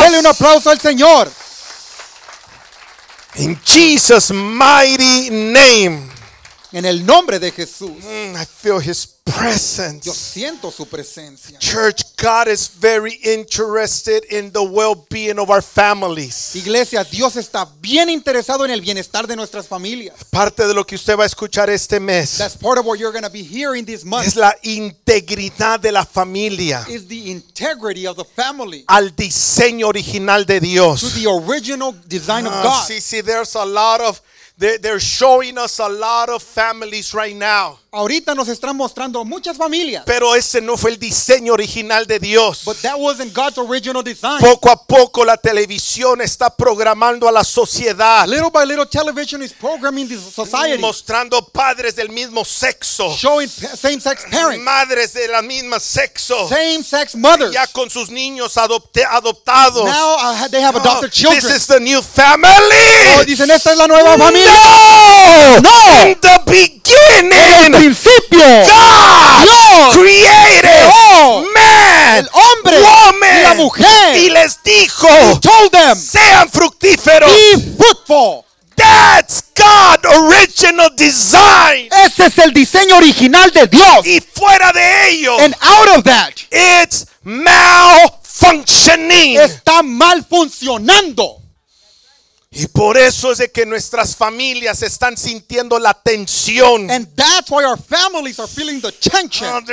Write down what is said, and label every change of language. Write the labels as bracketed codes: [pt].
[es] Dele un aplauso al Señor. [en] In Jesus' mighty name. [es] En el nombre de Jesús. [en] I feel his presence. [es] Yo siento su presencia. [en] Church, God is very interested in the well-being of our families. [es] Iglesia, Dios está bien interesado en el bienestar de nuestras familias. Parte de lo que usted va a escuchar este mes. [en] That's part of what you're going to be hearing this month. [es] Es la integridad de la familia. [en] Is the integrity of the family. [es] Al diseño original de Dios. [en] To the original design of God. See, there's a lot of they're showing us a lot of families right now. [es] Ahorita nos están mostrando muchas familias. Pero ese no fue el diseño original de Dios. [en] But that wasn't God's original design. [es] Poco a poco la televisión está programando a la sociedad. [en] Little by little, television is programming the society. [es] Mostrando padres del mismo sexo. [en] Showing same-sex parents. [es] Madres de la misma sexo. [en] Same-sex mothers. [es] Ya con sus niños adoptados. [en] Now they have adopted children. This is the new family. [es] Oh, dicen, esta es la nueva familia. No! [en] No! In the beginning. [es] Principio, [en] God, created, man, [es] el hombre, [en] woman, [es] y la mujer, y les dijo, [en] he told them, [es] sean fructíferos, [en] be fruitful. That's God's original design. [es] Ese es el diseño original de Dios. Y fuera de ello, [en] and out of that, it's malfunctioning. [es] Está mal funcionando. Y por eso es de que nuestras familias están sintiendo la tensión. [en] And that's why our families are feeling the tension.